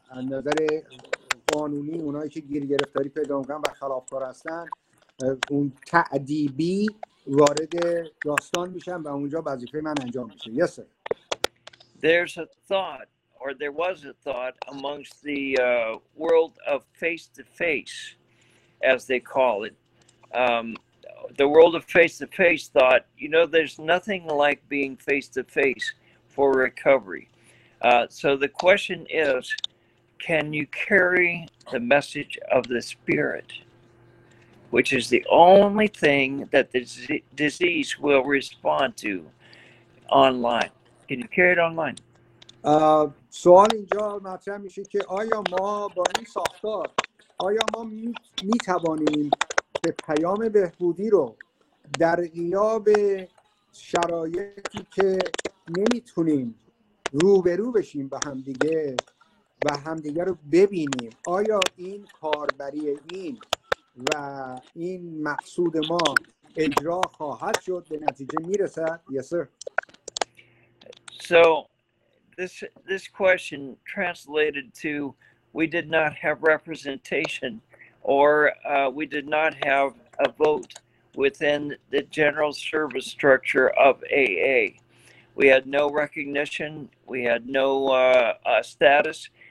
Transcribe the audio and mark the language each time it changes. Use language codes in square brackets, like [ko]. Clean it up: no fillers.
[fa] نظر قانونی اونایی که گیر گرفتاری پیدا میکنن و خلافکار هستن، اون تعدیبی وارد داستان میشم و اونجا وظیفه من انجام میشه. [en] Yes, sir. There's a thought, or there was a thought amongst the world of face-to-face, as they call it. The world of face-to-face thought, you know, there's nothing like being face-to-face for recovery. So the question is, can you carry the message of the Spirit, which is the only thing that the disease will respond to online? Can you carry it online? [fa] سوال اینجا مطرح میشه که آیا ما با این ساختار، آیا ما میتوانیم به پیام بهبودی رو در غیاب شرایطی که نمیتونیم روبرو بشیم با همدیگه و همدیگه رو ببینیم، آیا این کاربری این و این مقصود ما اجرا خواهد شد، به نتیجه میرسد؟ [en] Yes, sir. So this question translated to, we did not have representation, or we did not have a vote within the general service structure of AA. We had no recognition, we had no status.